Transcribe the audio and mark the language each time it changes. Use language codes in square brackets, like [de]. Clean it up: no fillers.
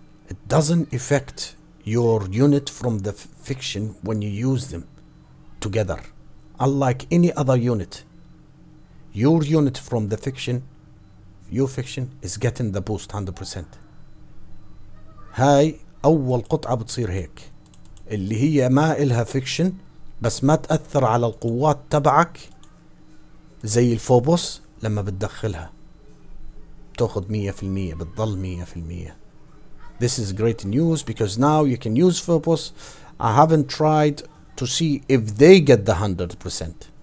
[en] It doesn't affect your unit from the fiction when you use them together. Unlike any other unit, your unit from the fiction, your fiction is getting the boost 100%. [ar] هاي أول قطعة بتصير هيك اللي هي ما إلها fiction بس ما تأثر على القوات تبعك زي الفوبوس لما بتدخلها. تأخذ 100% بتضل 100%. [en] This is great news because now you can use Phobos. I haven't tried to see if they get the 100%.